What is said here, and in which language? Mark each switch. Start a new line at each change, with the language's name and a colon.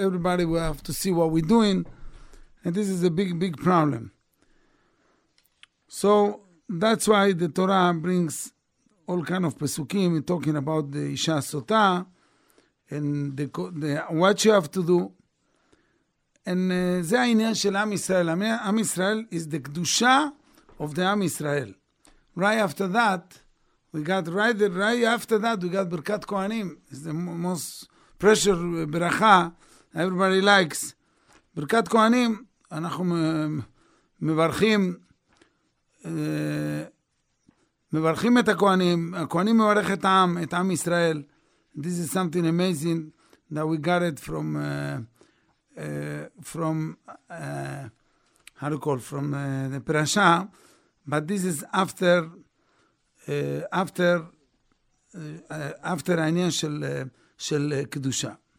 English: Everybody will have to see what we're doing. And this is a big, big problem. So that's why the Torah brings all kind of pesukim, talking about the Isha Sota, and what you have to do.
Hebrew: And זה העניין של עם ישראל.
English: עם ישראל is the Kedusha of the Am Israel. Right after that, We got Birkat Kohanim. It's the most pressure Beracha everybody likes.
Hebrew: Birkat Kohanim, אנחנו מברכים את הכהנים, הכהנים מברך את העם, את עם ישראל.
English: This is something amazing that we got it from the Parasha. But this is after... after Anyan shel Kedusha.